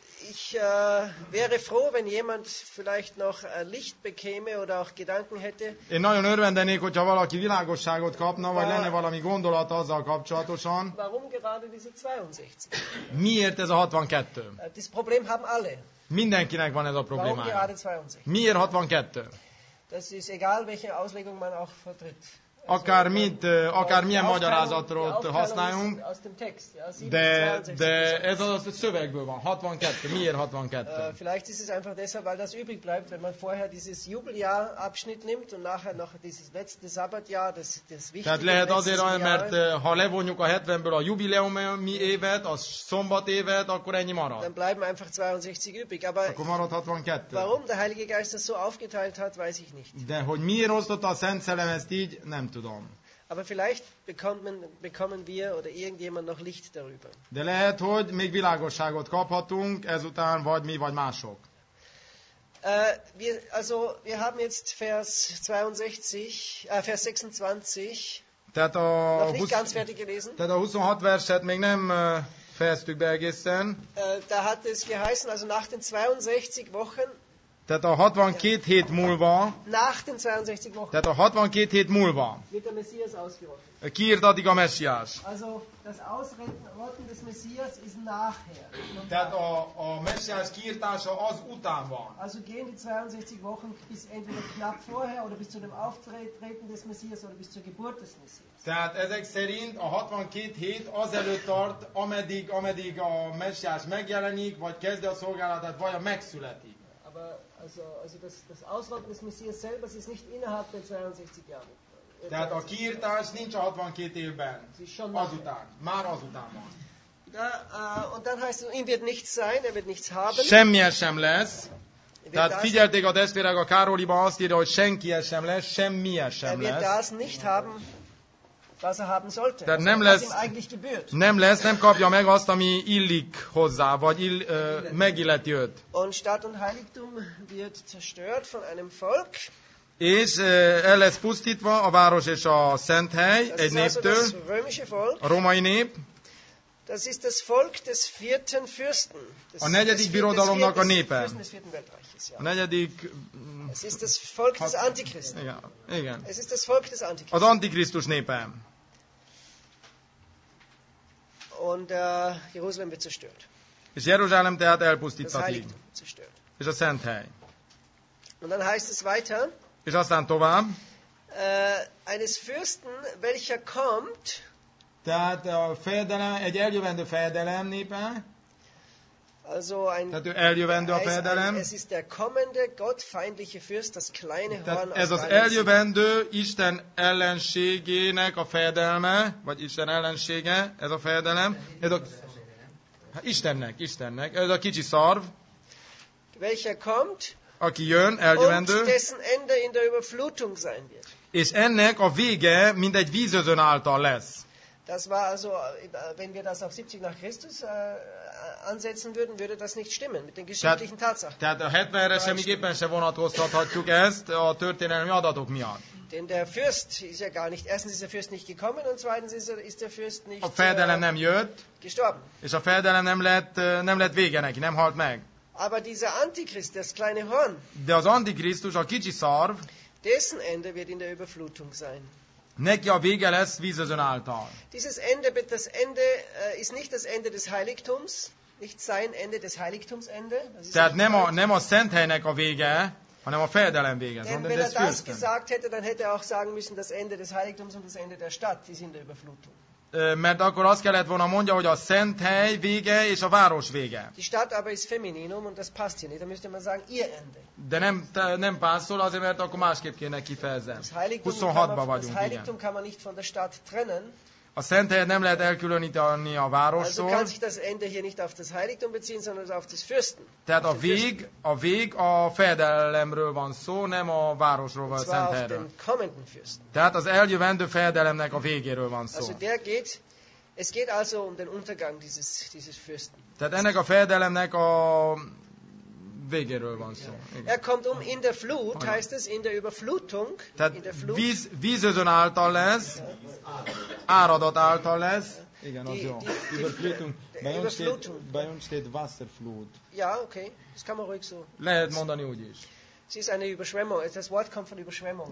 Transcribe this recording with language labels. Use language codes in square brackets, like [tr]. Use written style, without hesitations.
[de] Ich wäre froh, wenn jemand vielleicht noch Licht bekäme oder auch Gedanken hätte. [hu] Én nagyon örvendenék, hogyha valaki világosságot kapna, vagy lenne valami gondolata azzal kapcsolatosan. [de] Warum gerade diese 62? [hu] Miért ez a 62? [de] Das Problem haben alle. [hu] Mindenkinek van ez a problémája. [de] Warum gerade 62? [hu] Miért 62? [de] Das ist egal, welche Auslegung man auch vertritt. [hu] Akár milyen magyarázatot használjunk, de ez az szövegből van, 62, miért 62? [de] Vielleicht ist es einfach deshalb, weil das übrig bleibt, wenn man vorher dieses Jubeljahr Abschnitt nimmt und nachher noch dieses letzte Sabbatjahr, das wichtige. [hu] Tehát lehet azért, mert ha levonjuk a 70-ből a jubileumi évet, a szombat évet, akkor ennyi marad. [de] Dann bleiben einfach 62 übrig, aber [hu] akkor marad 62. [de] Warum der Heilige Geist das so aufgeteilt hat, weiß ich nicht. [hu] De hogy miért osztotta a Szent Szellem ezt így, nem tudom. [de] Aber vielleicht bekommen wir oder irgendjemand noch Licht darüber. [hu] De lehet, hogy még világosságot kaphatunk ezután, vagy mi, vagy mások. [de] Wir haben jetzt Vers 26. [hu] Tehát a [de] noch nicht ganz fertig gelesen. [hu] Tehát a 26 verset még nem fejeztük be egészen. [de] Da hat es geheißen, also nach den 62 Wochen. [hu] Tehát a 62 hét múlva. [de] Nach den 62 Wochen. [hu] Tehát a 62 hét múlva. [de] Wird der Messias ausgerottet. [hu] Ki írt addig a Messiás? [de] Also das Ausrotten des Messias ist nachher. [hu] Tehát a Messiás kiirtása az után van. [de] Also gehen die 62 Wochen bis entweder knapp vorher oder bis zu dem Auftreten des Messias oder bis zur Geburt des Messias. [hu] Tehát ezek szerint a 62 hét azelőtt tart, ameddig a Messiás megjelenik, vagy kezdi a szolgálatát, vagy a megszületik. [de] Also das Ausrotten des Messias selber ist nicht innerhalb der 62 Jahre. [hu] Tehát a kiirtás nincs a 62 évben. Azután. Már azután van. [de] Und dann heißt es, ihm wird nichts sein, er wird nichts haben. [hu] Semmije sem lesz. Tehát figyelték a testvérek a Károliban, azt írja, hogy senkije sem lesz, semmije sem lesz. [de] Er wird das nicht haben, was er haben sollte. [hu] Tehát nem lesz, nem kapja meg azt, ami illik hozzá, vagy megilleti őt. [de] Und Stadt und Heiligtum wird zerstört von einem Volk. [hu] És el lesz pusztítva a város és a szent hely egy néptől. [de] Das römische Volk. [hu] A római nép. [de] Das ist das Volk des vierten Fürsten. [hu] A negyedik birodalomnak a népe. A negyedik. [de] Es ist das Volk des Antichristen. [hu] Igen. [de] Es ist das Volk des Antichristen. [hu] Az Antikrisztus népe. [de] Und Jerusalem wird zerstört. [hu] És Jeruzsálem tehát elpusztítatik. És a szent hely. [de] Und dann heißt es weiter. [hu] És aztán tovább. [de] Eines Fürsten, welcher kommt. [hu] Tehát a fejedelem, egy eljövendő fejedelem népe. [de] Also ein, [hu] tehát ő eljövendő a fejedelem. [de] Es ist der kommende gottfeindliche Fürst, das kleine Horn. [hu] Tehát ez az eljövendő Isten ellenségének a fejedelme, vagy Isten ellensége, ez a fejedelem. Ez a, Istennek. Ez a kicsi szarv. [de] Welcher kommt? [hu] Aki jön, eljövendő. [de] Und dessen Ende in der Überflutung sein wird. [hu] És ennek a vége mindegy vízözön által lesz. [de] Das war also, wenn wir das auf 70 nach Christus ansetzen würden, würde das nicht stimmen mit den geschichtlichen Tatsachen. [hu] Tehát a 70-re semmiképpen se vonatkoztathatjuk ezt a történelmi adatok miatt. [de] Denn der Fürst ist ja gar nicht, erstens ist der Fürst nicht gekommen und zweitens ist der Fürst nicht [hu] a fejedelem nem jött, [de] gestorben. [hu] És a fejedelem nem lett vége neki, nem halt meg. [de] Aber dieser Antichrist, das kleine Horn, [hu] de az Antikrisztus, a kicsi szarv, [de] dessen Ende wird in der Überflutung sein. [hu] Neki a vége lesz vízözön által. [de] Dieses Ende, das Ende ist nicht das Ende des Heiligtums, nicht sein Ende des Heiligtums Ende. [hu] Tehát nem a szent helynek a vége, hanem a fejedelem vége. [de] Denn wenn er das gesagt hätte, dann hätte er auch sagen müssen, das Ende des Heiligtums und das Ende der Stadt, die sind der Überflutung. [hu] Mert akkor azt kellett volna mondja, hogy a szent hely vége és a város vége. [de] Die Stadt aber ist femininum und das passt hier nicht. Da müsste man sagen ihr Ende. [hu] De nem passzol, azért mert akkor másképp kéne kifejezzen. 26-ba vagyunk. [de] Das Heiligtum kann man nicht von der Stadt trennen. [hu] A szent helyet nem lehet elkülöníteni a városról. [de] Also kann sich das Ende hier nicht auf das Heiligtum beziehen, sondern auf das Fürsten. [hu] Tehát a vég a fejedelemről van szó, nem a városról vagy a szent helyről. [de] Auf den kommenden Fürsten. [hu] Tehát az eljövendő fejedelemnek a végéről van szó. [de] Also der geht, es geht also um den Untergang dieses Fürsten. [hu] Tehát ennek a fejedelemnek a végéről van szó. Igen. [de] Er kommt um in der Flut, heißt es, in der Überflutung. [hu] Tehát [de] in der Flut. [hu] Vízözön által lesz, áradat által lesz. Igen, az jó. [de] Überflutung. Bei uns steht Wasserflut. Ja, okay. Das kann man ruhig so. [hu] Lehet mondani úgy is. [de] Es ist eine Überschwemmung. Das Wort kommt von Überschwemmung.